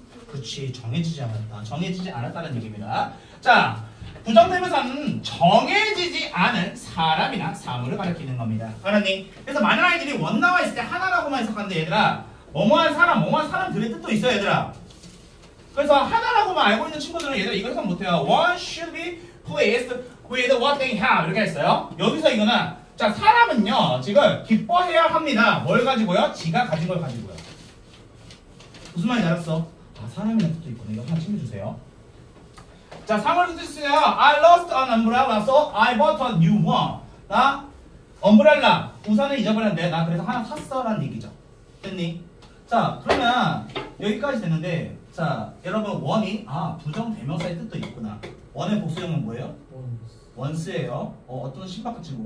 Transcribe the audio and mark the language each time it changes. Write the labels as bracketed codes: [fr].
[ko] 그렇지 정해지지 않았다. 정해지지 않았다는 얘기입니다. 자 부정대명사는 정해지지 않은 사람이나 사물을 가리키는 겁니다. 하나님. 그래서 많은 아이들이 원 나와 있을 때 하나라고만 해석하는데 얘들아 뭐뭐한 사람, 뭐뭐한 사람들의 뜻도 있어요 얘들아. 그래서 하나라고만 알고 있는 친구들은 얘들아 이걸 해석 못해요. [en] One should be pleased with what they have [ko] 이렇게 했어요. 여기서 이거는 자 사람은요 지금 기뻐해야 합니다. 뭘 가지고요? 지가 가진 걸 가지고요. 무슨 말인지 알았어? 아 사람이라는 뜻도 있구나. 이거 하나 챙겨주세요. 자 상황을 드세요. [en] I lost an umbrella, so I bought a new one. [ko] 나 umbrella 우산을 잊어버렸는데 나 그래서 하나 샀어라는 얘기죠. 됐니? 자 그러면 여기까지 됐는데 자 여러분 원이 아 부정 대명사의 뜻도 있구나. 원의 복수형은 뭐예요? 원스예요. 어떤 신박한 친구.